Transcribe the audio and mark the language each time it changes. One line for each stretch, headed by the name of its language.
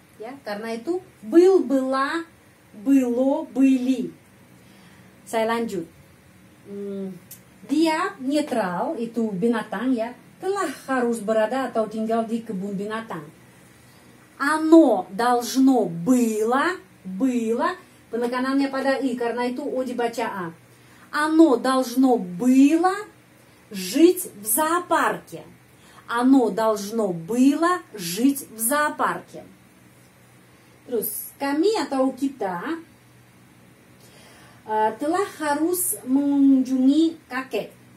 Indonesian: Ya, karena itu был, была, было, были. Saya lanjut. Dia netral, itu binatang, ya, telah harus berada atau tinggal di kebun binatang.
Russian: Оно должно было, было,
Indonesian: penekanannya pada i, karena itu o dibaca a.
Russian: Оно должно было жить в зоопарке. Оно должно было жить в зоопарке.
Indonesian: Terus, kami atau kita telah harus mengunjungi kakek.